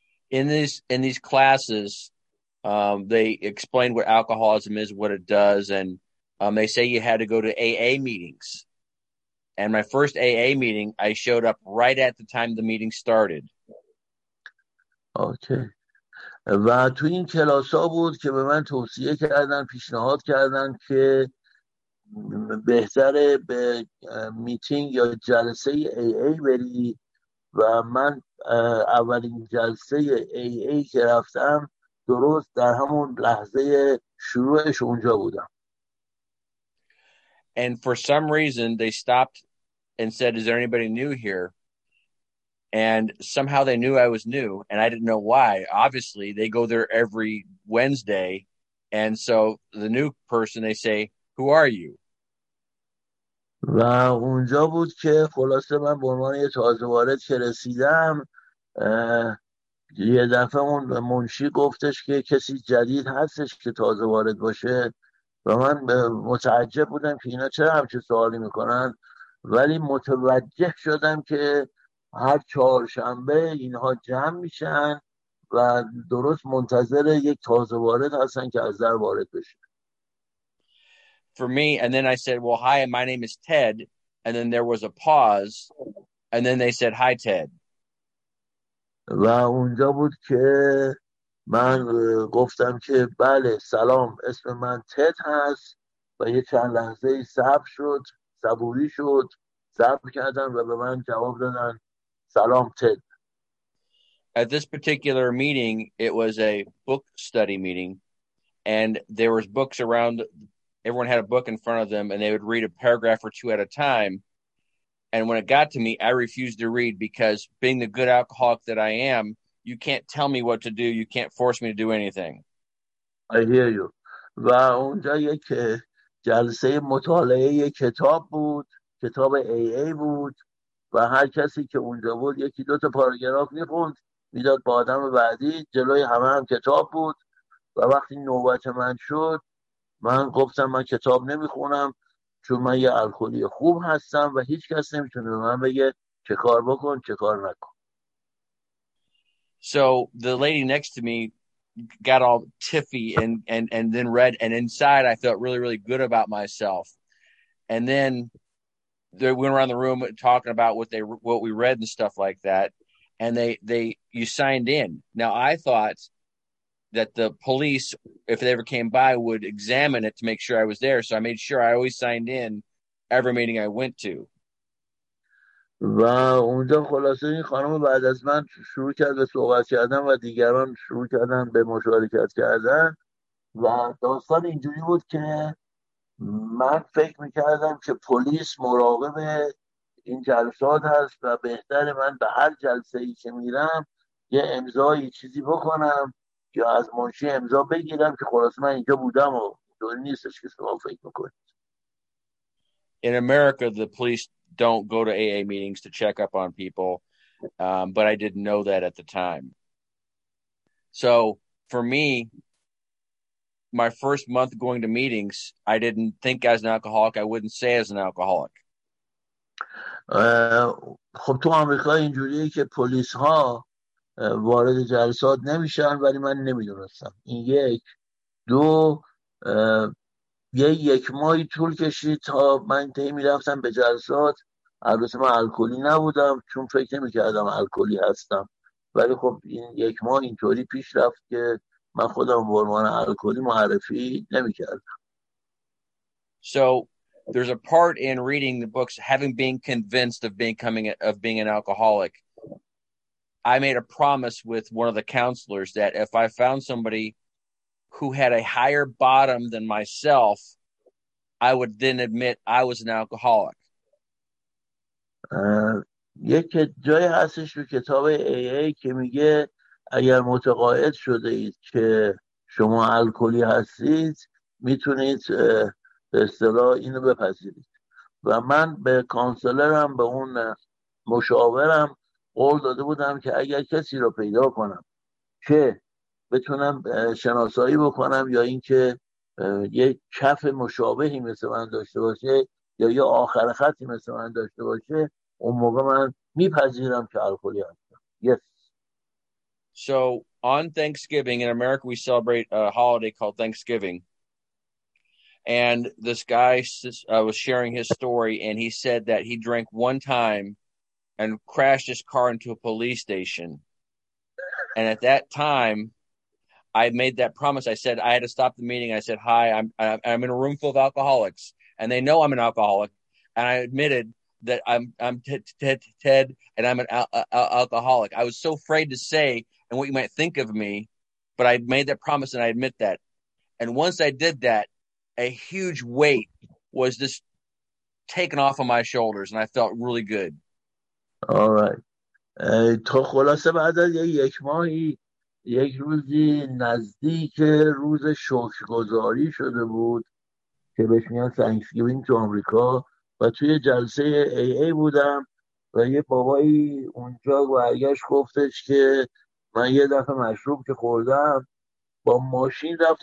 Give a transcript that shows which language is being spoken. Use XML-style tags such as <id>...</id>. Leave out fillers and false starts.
<en>In these classes, they explain what alcoholism is, what it does, and they say you had to go to AA meetings. And my first AA meeting, I showed up right at the time the meeting started. Okay.</en> <fa>و تو این کلاس ها بود که به من توصیه کردن، پیشنهاد کردن که بهتره به میتینگ یا جلسه AA بری، و من اولین جلسه AA که رفتم درست در همون لحظه شروعش اونجا بودم.</fa> <en>And for some reason they stopped and said, is there anybody new here? And somehow they knew I was new, and I didn't know why. Obviously, they go there every Wednesday. And so the new person, they say, who are you?</en> <fa>و اونجا بود که خلاصه من به عنوان یه تازه وارد که رسیدم یه دفعه اون منشی گفتش که کسی جدید هستش که تازه وارد باشه و من متعجب بودم که اینا چرا همچه سوالی میکنن، ولی متوجه شدم که هر چهارشنبه اینها جمع میشن و درست منتظر یک تازه وارد هستن که از در وارد بشه.</fa> <en>For me, and then I said, well, hi, my name is Ted. And then there was a pause, and then they said, hi, Ted.</en> <fa>و اونجا بود که من گفتم که بله سلام، اسم من تد هست. و یه چند لحظه صبر شد، صبوری شد، صبر کردن و به من جواب دادن سلام تد.</fa> <en>At this particular meeting, it was a book study meeting, and there was books around. Everyone had a book in front of them, and they would read a paragraph or two at a time. And when it got to me, I refused to read because, being the good alcoholic that I am, you can't tell me what to do. You can't force me to do anything. I hear you.</en> <fa>و اونجا یک جلسه مطالعه کتاب بود، کتاب AA بود، و هر کسی که اونجا بود یکی دو تا پاراگراف می‌خوند، میداد به آدم بعدی. جلوی همه هم کتاب بود و وقتی نوبت من شد من گفتم من کتاب نمیخونم چون من یه الکلی خوب هستم و هیچ کس نمیتونه به من بگه چه کار بکن چه کار نکن.</fa> <en>So the lady next to me got all tiffy and then red, and inside I felt really really good about myself. And then they went around the room talking about what we read and stuff like that, and they you signed in. Now I thought that the police, if they ever came by, would examine it to make sure I was there. So I made sure I always signed in every meeting I went to.</en> <fa>و اونجا خلاصه این خانم بعد از من شروع کرد به صحبت کردن و دیگران شروع کردن به مشارکت کردن و داستان اینجوری بود که من فکر میکردم که پلیس مراقب این جلسات هست و بهتر من به هر جلسه ای که میرم یه امضایی چیزی بکنم یا از منشی امضا بگیرم که خلاصه من اینجا بودم و دوری نیستش که شما فکر میکنید.</fa> <en>In America, the police don't go to AA meetings to check up on people, but I didn't know that at the time. So for me, my first month going to meetings, I didn't think as an alcoholic, I wouldn't say as an alcoholic.</en> <fa>خب تو آمریکا اینجوریه که پلیس ها وارد جلسات نمیشن، ولی من نمیدونستم. این یک. دو، یک ماهی طول کشید تا من تهی میرفتم به جلسات. البته من الکلی نبودم چون فکر نمی کردم الکلی هستم، ولی خب این یک ماه اینطوری پیش رفت که من خودم به عنوان الکلی معرفی نمی کردم.</fa> <en>So there's a part in reading the books having been convinced of being an alcoholic. I made a promise with one of the counselors that if I found somebody who had a higher bottom than myself, I would then admit I was an alcoholic.</en> <fa>یک جای هستش تو کتاب AA که میگه اگر متقاعد شده اید که شما الکلی هستید میتونید به اصطلاح اینو بپذیرید. و من به کانسلرم، به اون مشاورم قول داده بودم که اگر کسی رو پیدا کنم که بتونم شناسایی بکنم یا اینکه یک کف مشابهی مثل من داشته باشه یا یه آخر خطی مثل من داشته باشه، اون موقع من میپذیرم که الکلی هستم.</fa> <en>Yes. So on Thanksgiving in America we celebrate a holiday called Thanksgiving. And this guy was sharing his story and he said that he drank one time and crashed his car into a police station. And at that time, I made that promise. I said, I had to stop the meeting. I said, hi, I'm in a room full of alcoholics. And they know I'm an alcoholic. And I admitted that I'm Ted, and I'm an alcoholic. I was so afraid to say and what you might think of me, but I made that promise and I admit that. And once I did that, a huge weight was just taken off of my shoulders, and I felt really good. All right.</en> <fa>تو خلاصه بعد از یک ماهی یک روزی نزدیک روز شکرگزاری شده بود که بهش میان Thanksgiving تو آمریکا و توی جلسه AA بودم و یه بابایی اونجا برگشت گفتش که من یه دفعه مشروب که خوردم با ماشین</fa>